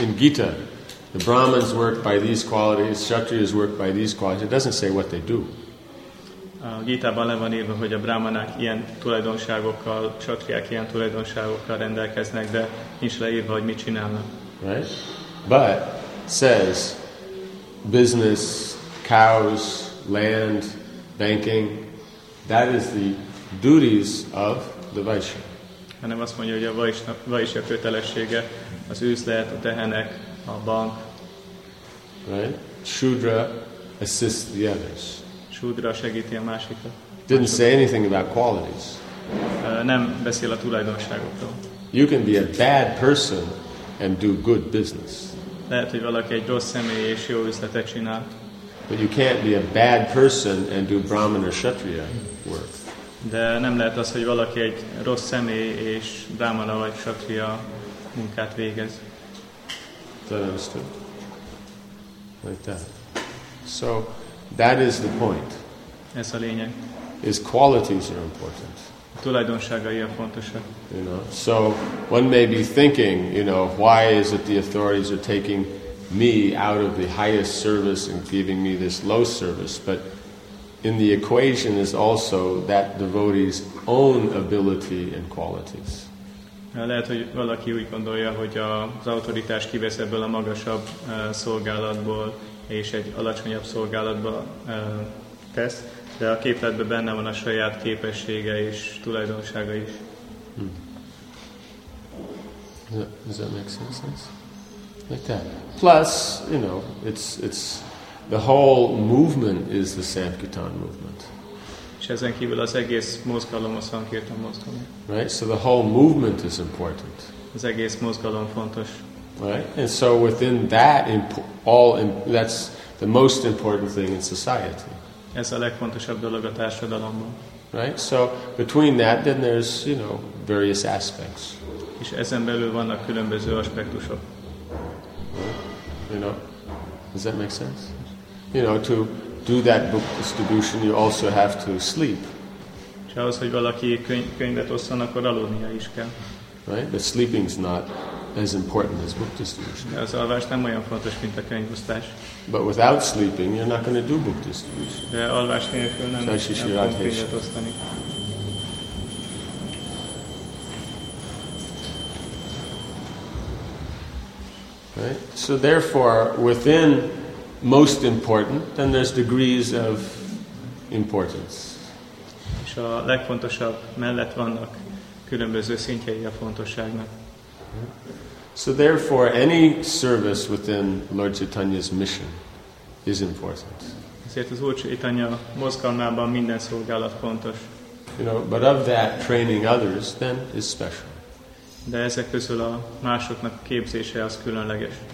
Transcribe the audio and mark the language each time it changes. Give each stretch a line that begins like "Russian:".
English: In Gita, the Brahmins work by these qualities, Kshatriyas work by these qualities. It doesn't say what they do.
Hungarian: A Gita-ban le van írva, hogy a brahmanák ilyen tulajdonságokkal, csatriák ilyen tulajdonságokkal rendelkeznek, de nincs leírva, hogy mit csinálnak.
English: Right? But says business, cows, land, banking, that is the duties of the Vaishya.
Hungarian: Hanem azt mondja, hogy a Vaishya kötelessége az üzlet, a tehenek, a bank.
English: Right? Shudra assists the others.
Hungarian: Shudra segíti a másikat.
English: Didn't say anything about qualities.
Hungarian: Nem beszél a tulajdonságokról.
English: You can be a bad person and do good business.
Hungarian: Lehet, hogy valaki egy rossz személy és jó üzletet csinál.
English: But you can't be a bad person and do Brahmin or Kshatriya work.
Hungarian: De nem lehet az, hogy valaki egy rossz személy és Brahmana vagy Kshatriya munkát végez.
English: That understood. Like that. So that is the point.
Hungarian: Ez a lényeg.
English: Is qualities are important.
Hungarian: A tulajdonságai a fontosak.
English: You know, so one may be thinking, you know, why is it the authorities are taking me out of the highest service and giving me this low service? But in the equation is also that devotee's own ability and qualities.
Hungarian: Lehet, hogy valaki úgy gondolja, hogy az autoritás kivesz ebből a magasabb szolgálatból, és egy alacsonyabb szolgálatba tesz, de a képletben benne van a saját képessége és tulajdonsága is.
English: Does that make sense? Like that. Plus, you know, it's the whole movement is the Sankirtan movement.
Hungarian: És ezen kívül az egész mozgalom a Sankirtan mozgalom.
English: Right, so the whole movement is important.
Hungarian: Az egész mozgalom fontos.
English: Right, and so within that, all that's the most important thing in society.
Hungarian: Ez a legfontosabb dolog a társadalomban.
English: Right, so between that, then there's, you know, various aspects.
Hungarian: És ezen belül vannak különböző aspektusok.
English: You know, does that make sense? You know, to do that book distribution, you also have to sleep.
Hungarian: És ahhoz, hogy valaki könyvet osszon, akkor aludnia is kell.
English: Right, but sleeping's not as important as book distribution.
Hungarian: Az alvás nem olyan fontos, mint a könyvosztás.
English: But without sleeping, you're not going to do book distribution.
Hungarian: De alvás nélkül nem fogunk könyvet osztani.
English: Right? So therefore, within most important, then there's degrees of importance.
Hungarian: És a legfontosabb mellett vannak különböző szintjei a fontosságnak.
English: So therefore, any service within Lord Chaitanya's mission is important.
Hungarian: Ezért az Úr Chaitanya mozgalmában minden szolgálat fontos.
English: You know, but of that, training others then is special.
Hungarian: De ezek közül a másoknak képzése az különleges.